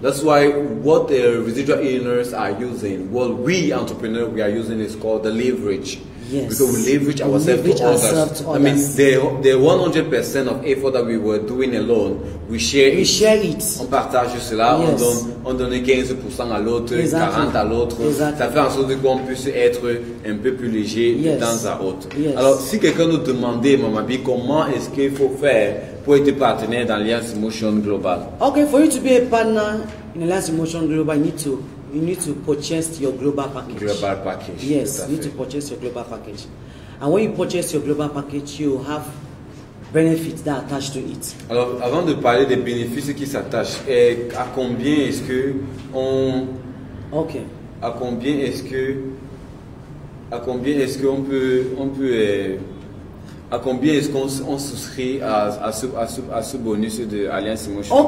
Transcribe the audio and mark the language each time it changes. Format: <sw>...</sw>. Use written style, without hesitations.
<en>That's why what the residual earners are using, what we entrepreneurs we are using, is called the leverage. Yes. Because we leverage ourselves to others. I mean, the 100% of effort that we were doing alone, we share it.</en> <fr>On partage cela,</fr> <en>yes.</en> <fr>on donne 15% à l'autre,</fr> <en>exactly.</en> <fr>40% à l'autre.</fr> <en>Exactly.</en> <fr>Ça fait en sorte qu'on puisse être un peu plus léger</fr> <en>yes.</en> <fr>de temps à autre.</fr> <en>Yes.</en> <fr>Alors, si quelqu'un nous demandait, Mama B, comment est-ce qu'il faut faire pour être partenaire dans l'Alliance Emotion Global?</fr> <en>Okay, for you to be a partner in l'Alliance Emotion Global, you need to purchase your global package. Global package. Yes, you need to purchase your global package. And when you purchase your global package, you have benefits that attach to it.</en> <fr>Alors, avant de parler des bénéfices qui s'attachent, à combien est-ce qu'on souscrit à ce bonus de Alliance Emotion?</fr>